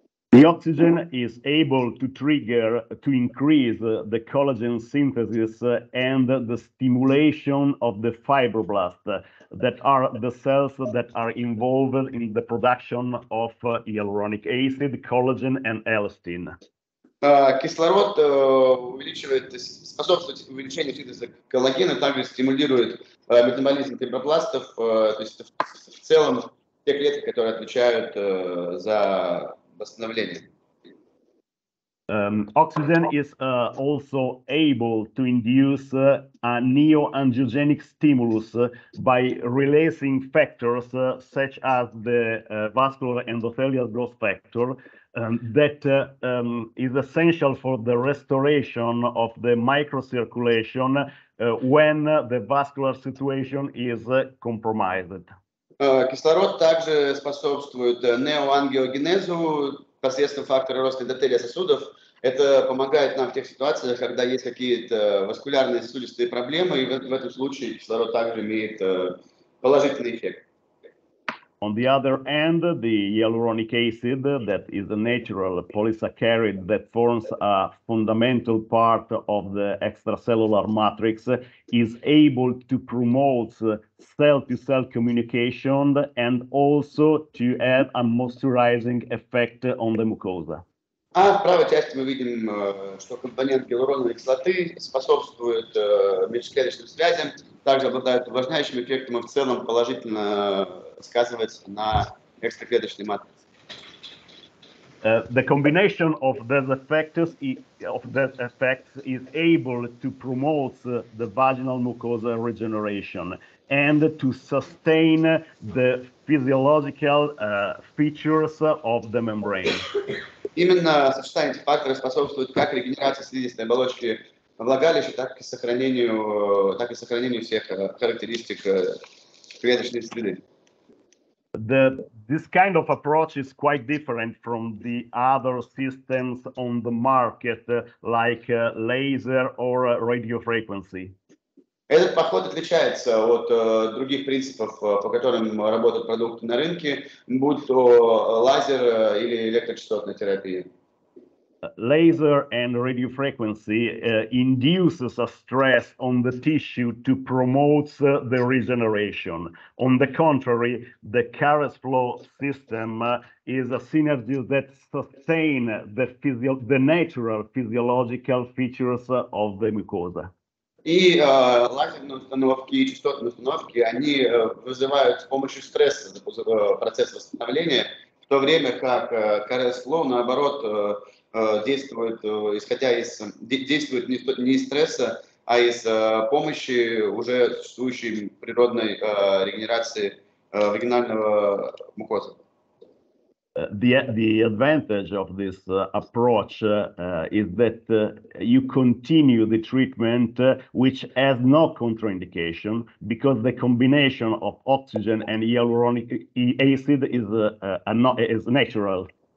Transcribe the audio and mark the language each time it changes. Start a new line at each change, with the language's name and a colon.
English: The oxygen is able to trigger, to increase the collagen synthesis and the stimulation of the fibroblasts that are the cells that are involved in the production of hyaluronic acid, collagen and elastin.
Russian: Кислород способствует увеличению синтеза коллагена, также стимулирует метаболизм фибробластов, то есть в целом те клетки, которые отвечают за восстановление.
English: Oxygen is also able to induce a neoangiogenic stimulus by releasing factors such as the vascular endothelial growth factor that is essential for the restoration of the microcirculation when the vascular situation is compromised.
Russian: Кислород также способствует неоангиогенезу посредством фактора роста эндотелия сосудов. Это помогает нам в тех ситуациях, когда есть какие-то васкулярные сосудистые проблемы, и в этом случае кислород также имеет положительный эффект.
English: On the other hand, the hyaluronic acid, that is a natural polysaccharide that forms a fundamental part of the extracellular matrix, is able to promote cell-to-cell communication and also to have a moisturizing effect on the mucosa.
Russian: А в правой части мы видим, что компонент гиалуроновой кислоты способствует межклеточным связям, также обладает увлажняющим эффектом и в целом положительно сказывается на экстраклеточной матрице.
English: The combination of these effects is able to promote the vaginal mucosa regeneration and to sustain the physiological features of the membrane.
Russian: Именно сочетание этих факторов способствует как регенерации слизистой оболочки влагалища, так и сохранению всех характеристик клеточной среды.
English: This kind of approach is quite different from the other systems on the market, like laser or radio frequency.
Russian: Этот подход отличается от других принципов, по которым работают продукты на рынке, будь то лазер или электрочастотная терапия.
English: Laser and radio frequency induces a stress on the tissue to promote the regeneration. On the contrary, the Caris Flow system is a synergy that sustains the natural physiological features of the mucosa.
Russian: И лазерные установки и частотные установки, они вызывают с помощью стресса процесс восстановления, в то время как Caris Flow, наоборот, действует не из стресса, а из помощи уже существующей природной регенерации вагинального мукозы.
English: The advantage of this approach is that you continue the treatment which has no contraindication because the combination of oxygen and hyaluronic acid is natural.